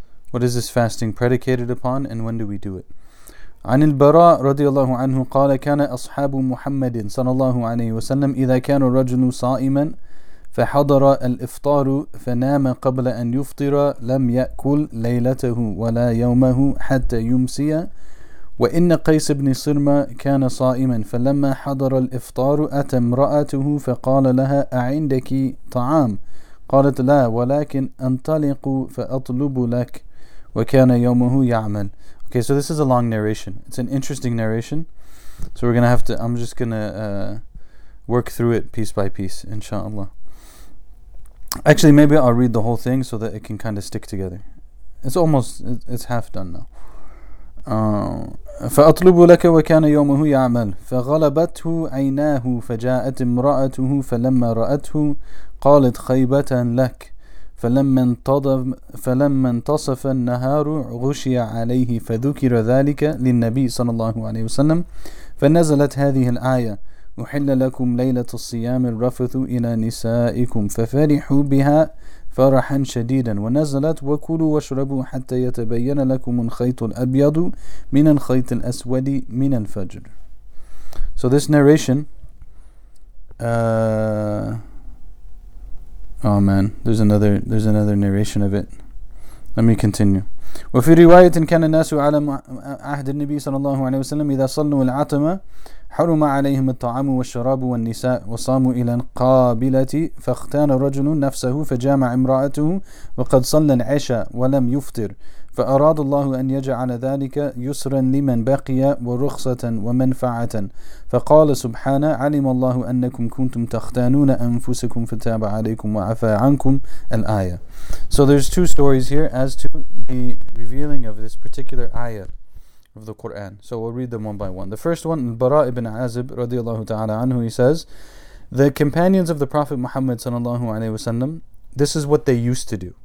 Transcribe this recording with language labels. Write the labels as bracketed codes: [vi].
[en] What is this fasting predicated upon, and when do we do it? [ar] عن البراء رضي الله عنه قال كان أصحاب محمد صلى الله عليه وسلم إذا كان الرجل صائما فحضر الإفطار فنام قبل أن يفطر لم يأكل ليلته ولا يومه حتى يمسي وإن قيس بن صرمة كان صائما فلما حضر الإفطار أتى امرأته فقال لها أعندك طعام قالت لا ولكن أنطلق فأطلب لك وكان يومه يعمل [en] Okay, so this is a long narration. It's an interesting narration. So we're going to have to, I'm just going to work through it piece by piece, inshallah. Actually, maybe I'll read the whole thing so that it can kind of stick together. It's half done now. [ar] فَأَطْلُبُ لَكَ وَكَانَ يَوْمُهُ يَعْمَلُ فَغَلَبَتْهُ عَيْنَاهُ فَجَاءَتْ امْرَأَتُهُ فَلَمَّا رَأَتْهُ قَالَتْ خَيْبَةً لَكَ فَلَمَّا انْتَصَفَ النَّهَارُ غُشِيَ عَلَيْهِ فَذُكِرَ ذَلِكَ لِلنَّبِيِّ صَلَّى اللَّهُ عَلَيْهِ وَسَلَّمَ فَنَزَلَتْ هَذِهِ الْآيَةُ أُحِلَّ لَكُمْ لَيْلَةُ الصِّيَامِ الرَّفَثُ إِلَى نِسَائِكُمْ فَفَرِحُوا بِهَا فَرَحًا شَدِيدًا وَنَزَلَتْ وَكُلُوا وَاشْرَبُوا حَتَّى يَتَبَيَّنَ لَكُمُ الْخَيْطُ الْأَبْيَضُ مِنَ الْخَيْطِ الْأَسْوَدِ مِنَ الْفَجْرِ. [en] So this narration, oh man, there's another narration of it. Let me continue. [ar] وفي رواية كان الناس على عهد النبي صلى الله عليه وسلم إذا صلوا العتمة حرم عليهم الطعام والشراب والنساء وصاموا إلى القابلة فاختان رجل نفسه فجامع امرأته وقد صلى العشاء ولم يفطر فأراد الله أن يجعل ذلك يسرا لمن بقي ورخصة ومنفعة فقال سبحانه علم الله أنكم كنتم تختانون أنفسكم فتاب عليكم وعفى عنكم الآية. [en] So there's two stories here as to the revealing of this particular ayah of the Quran. So we'll read them one by one. The first one, Bara ibn Azib radiallahu ta'ala anhu, he says, the companions of the Prophet Muhammad sallallahu alayhi wa sallam, this is what they used to do.